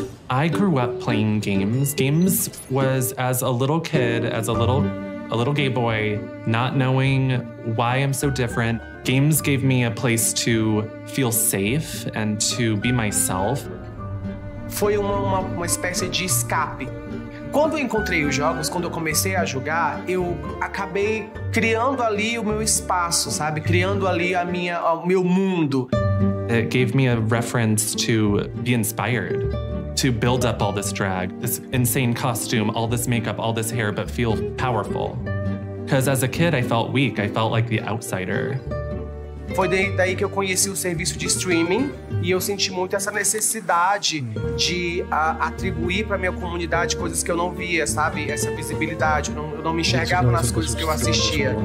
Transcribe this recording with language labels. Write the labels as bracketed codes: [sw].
[en] I grew up playing games. Games was as a little kid, as a little gay boy, not knowing why I'm so different. Games gave me a place to feel safe and to be myself. [pt] Foi uma espécie de escape. Quando eu encontrei os jogos, quando eu comecei a jogar, eu acabei criando ali o meu espaço, sabe? Criando ali o meu mundo. [en] It gave me a reference to be inspired, to build up all this drag, this insane costume, all this makeup, all this hair, but feel powerful. Because as a kid, I felt weak. I felt like the outsider. [pt] Foi daí que eu conheci o serviço de streaming e eu senti muito essa necessidade de atribuir para minha comunidade coisas que eu não via, sabe? Essa visibilidade. Eu não me enxergava nas coisas que eu assistia.